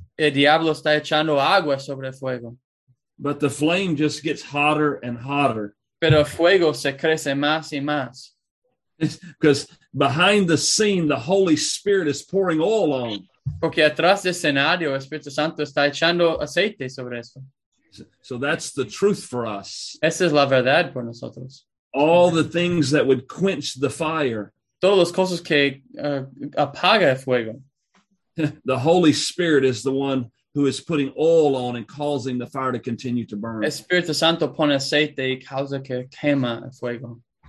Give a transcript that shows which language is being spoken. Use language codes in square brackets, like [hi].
[es] El diablo está echando agua sobre el fuego. [en] But the flame just gets hotter and hotter. [es] Pero el fuego se crece más y más. [en] Because behind the scene, the Holy Spirit is pouring oil on. [es] Porque atrás del escenario, el Espíritu Santo está echando aceite sobre eso. [en] So that's the truth for us. [es] Esa es la verdad por nosotros. [en] All the things that would quench the fire. [es] Todas las cosas que apaga el fuego. [en] The Holy Spirit is the one who is putting oil on and causing the fire to continue to burn. [es] El Espíritu Santo pone aceite y causa que quema el fuego.